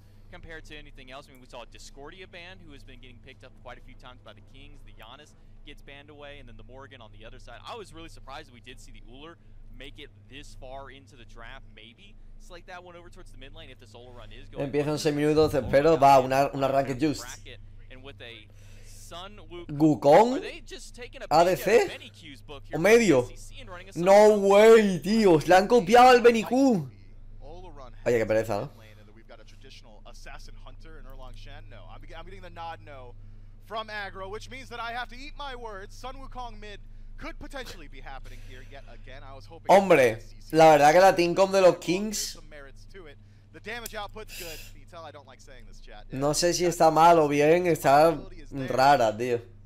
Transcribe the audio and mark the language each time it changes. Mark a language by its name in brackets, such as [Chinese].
[English] Compared to anything else, I mean, we saw a Discordia ban, who has been getting picked up quite a few times by the Kings. The Giannis gets banned away, and then the Morgan on the other side. I was really surprised that we did see the Uller make it this far into the draft. Maybe select that one over towards the mid lane if the solo run is going. [Spanish] Empieza en 6 minutos, pero va una ranked juice. [English] And with a Sun Wukong, ADC, [Spanish] o medio. No way, tío, le han copiado al Benicu. Oye, qué pereza, ¿no? [English] Assassin Hunter and Erlang Shen. No, I'm getting the nod no from Aggro, which means that I have to eat my words. Sun Wukong mid could potentially be happening here yet again. I was hoping. [Spanish] Hombre, la verdad que la team comp de los Kings. [English] The damage output's good. You tell I don't like saying this, chat. [Spanish] No sé si está mal o bien, está rara, tío.